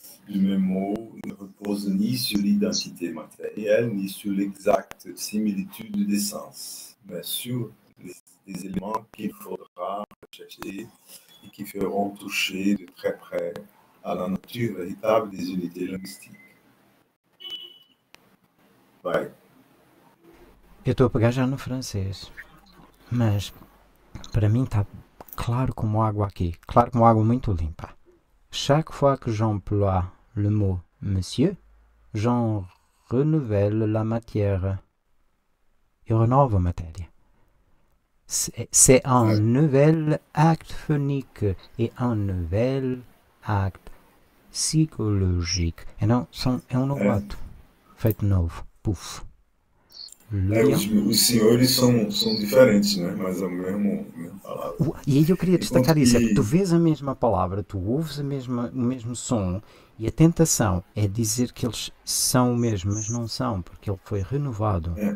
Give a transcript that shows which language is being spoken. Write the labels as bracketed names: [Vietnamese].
[French] Le même mot ne repose ni sur l'identité matérielle, ni sur l'exacte similitude des sens, mais sur les éléments qu'il faudra rechercher et qui feront toucher de très près à la nature véritable des unités linguistiques. [English] Bye. [Portuguese] Eu estou a pegar já no francês, mas para mim está claro como água aqui, claro como água muito limpa. [French] Chaque fois que j'emploie le mot monsieur, j'en renouvelle la matière. [Portuguese] Eu renovo a matéria. [French] C'est un nouvel acte phonique et un nouvel acte psychologique. Et non, [Portuguese] é um novo ato. Feito novo. Pouf. Os senhores são diferentes, né? Mas é a mesma palavra. E aí eu queria destacar isso, é que tu vês a mesma palavra, tu ouves o mesmo som, e a tentação é dizer que eles são o mesmo, mas não são, porque ele foi renovado.